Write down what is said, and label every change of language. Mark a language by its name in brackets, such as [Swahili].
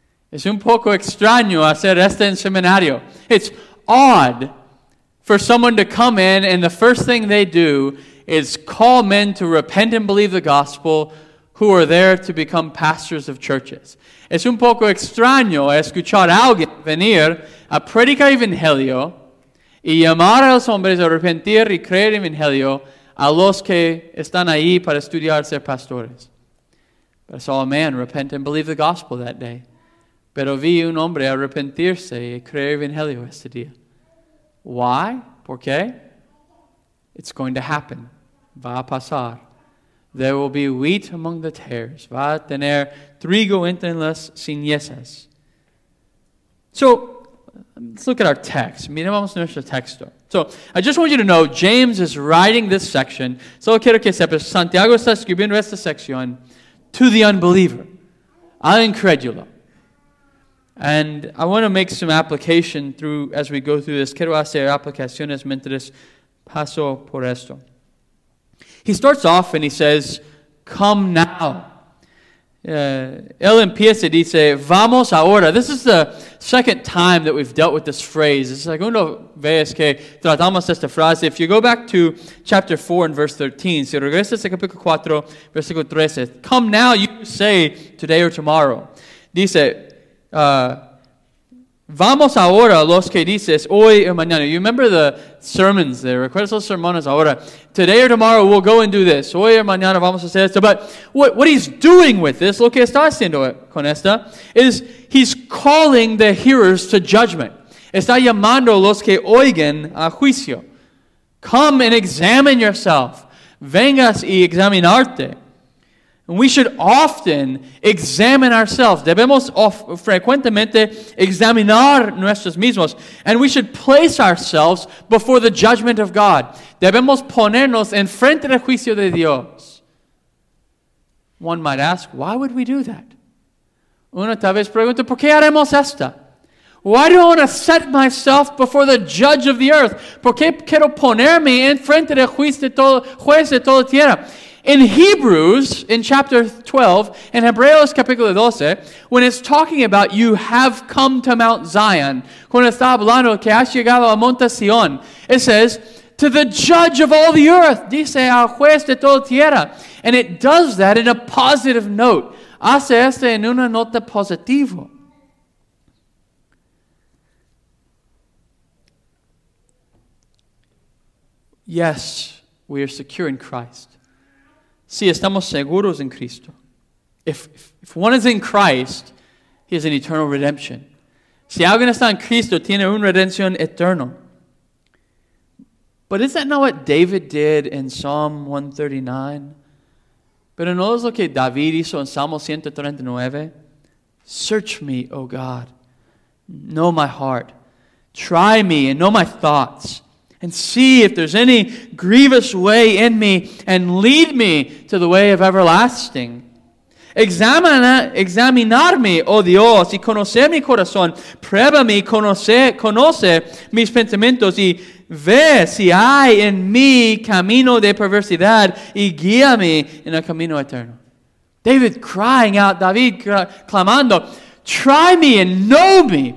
[Spanish] Es un poco extraño hacer esto en seminario. [English] It's odd for someone to come in and the first thing they do is call men to repent and believe the gospel who are there to become pastors of churches. [Spanish] Es un poco extraño escuchar a alguien venir a predicar evangelio y llamar a los hombres a arrepentir y creer evangelio a los que están ahí para estudiar ser pastores. [English] But I saw a man repent and believe the gospel that day. [Spanish] Pero vi un hombre arrepentirse y creer evangelio este día. [English] Why? [Spanish] ¿Por qué? [English] It's going to happen. [Spanish] Va a pasar. [English] There will be wheat among the tares. [Spanish] Va a tener trigo entre las cenizas. [English] So, let's look at our text. [Spanish] Miramos nuestro texto. [English] So, I just want you to know, James is writing this section. [Spanish] Solo quiero que sepas, Santiago está escribiendo esta sección [English] to the unbeliever, [Spanish] al incrédulo. [English] And I want to make some application through as we go through this. [Spanish] Quiero hacer aplicaciones mientras paso por esto. [English] He starts off and he says, come now. Él empieza y dice, [Spanish] vamos ahora. [English] This is the second time that we've dealt with this phrase. [Spanish] Es la segunda vez que tratamos esta frase. [English] If you go back to chapter 4 and verse 13, [Spanish] si regresas a capítulo 4, versículo 13, [English] come now, you say, today or tomorrow. [Spanish] Dice, vamos ahora los que dices hoy o mañana. [English] You remember the sermons there. [Spanish] Recuerdas los sermones ahora. [English] Today or tomorrow we'll go and do this. [Spanish] Hoy o mañana vamos a hacer esto. [English] But what he's doing with this, [Spanish] lo que está haciendo con esta, [English] is he's calling the hearers to judgment. [Spanish] Está llamando los que oigan a juicio. [English] Come and examine yourself. [Spanish] Vengas y examinarte. [English] We should often examine ourselves. [Spanish] Debemos frecuentemente examinar nuestros mismos. [English] And we should place ourselves before the judgment of God. [Spanish] Debemos ponernos en frente del juicio de Dios. [English] One might ask, why would we do that? [Spanish] Una tal vez pregunta, ¿por qué haremos esta? [English] Why do I want to set myself before the judge of the earth? [Spanish] ¿Por qué quiero ponerme en frente del juez de toda tierra? [English] In Hebrews, in chapter 12, [Spanish] in Hebreos capítulo 12, [English] when it's talking about you have come to Mount Zion, [Spanish] cuando está hablando que has llegado a Monte Sion, [English] it says, to the judge of all the earth, [Spanish] dice al juez de toda tierra. [English] And it does that in a positive note. [Spanish] Hace esto en una nota positiva. [English] Yes, we are secure in Christ. [Spanish] Sí, estamos seguros en Cristo. [English] If one is in Christ, he has an eternal redemption. [Spanish] Si alguien está en Cristo, tiene una redención eterna. [English] But is that not what David did in Psalm 139? [Spanish] Pero no es lo que David hizo en Salmo 139. [English] Search me, O God. Know my heart. Try me and know my thoughts. And see if there's any grievous way in me and lead me to the way of everlasting. [Spanish] Examinarme, oh Dios, y conocer mi corazón. Pruébame, conoce mis pensamientos y ve si hay en mí camino de perversidad y guíame en el camino eterno. [English] David crying out, [Spanish] David clamando, [English] try me and know me.